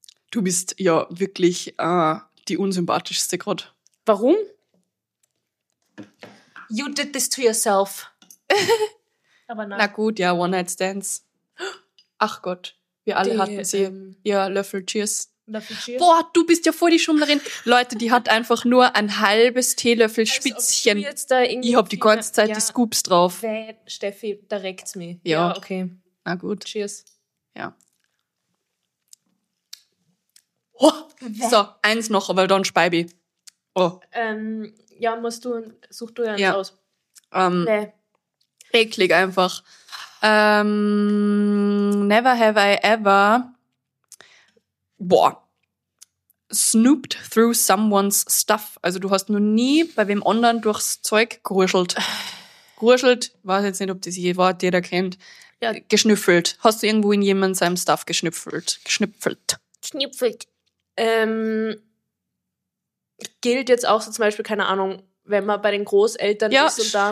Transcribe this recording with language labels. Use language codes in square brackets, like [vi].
[de] Du bist ja wirklich die unsympathischste gerade. Warum? [en] You did this to yourself. [de] Aber nein. Na gut, ja, One-Night-Stands. Ach Gott, wir alle hatten sie. Ja, Löffel, cheers. Löffel, cheers. Boah, du bist ja voll die Schummlerin. Leute, die hat einfach nur ein halbes Teelöffel Spitzchen. Also, jetzt da irgendwie ich hab die ganze Zeit die Scoops drauf. Steffi, da reckt's mich. Ja. Ja, okay. Na gut. Cheers. Ja. Oh. So, eins noch, weil dann Speibi. Oh. Ja, musst du, such du eins aus. Nee. Eklig einfach. [en] Never have I ever... [de] Boah. [en] Snooped through someone's stuff. [de] Also du hast noch nie bei wem anderen durchs Zeug geruschelt. Geruschelt, weiß jetzt nicht, ob das je Wort jeder kennt. Ja. Geschnüffelt. Hast du irgendwo in jemand seinem Stuff geschnüffelt? Geschnüpfelt. Geschnüpfelt. Gilt jetzt auch so zum Beispiel, keine Ahnung, wenn man bei den Großeltern ist und da...